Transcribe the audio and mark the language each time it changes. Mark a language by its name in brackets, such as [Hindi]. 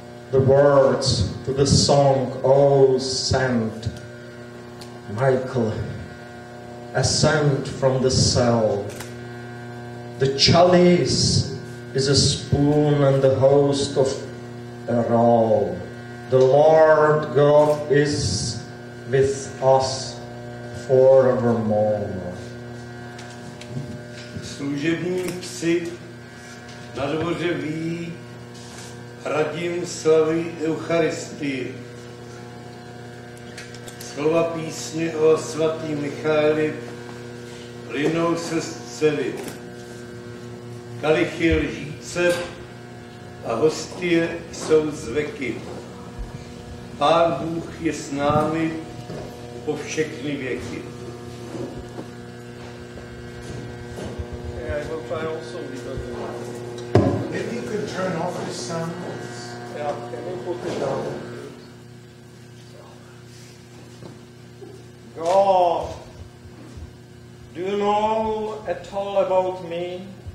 [English] The words to the song, oh, Saint Michael, ascend from the cell. The chalice is a spoon and the host of a roll. The Lord God is with us forevermore. [Czech] Služební psi na dvoře ví, Radim slaví Eucharistii. Slova písně o svatý Michaeli plynou se z cely. Kalichy lžíce a hostie jsou zveky. Pán Bůh je s námi po všechny věky. [English] If you could turn off the sounds. God, do you know at all about me?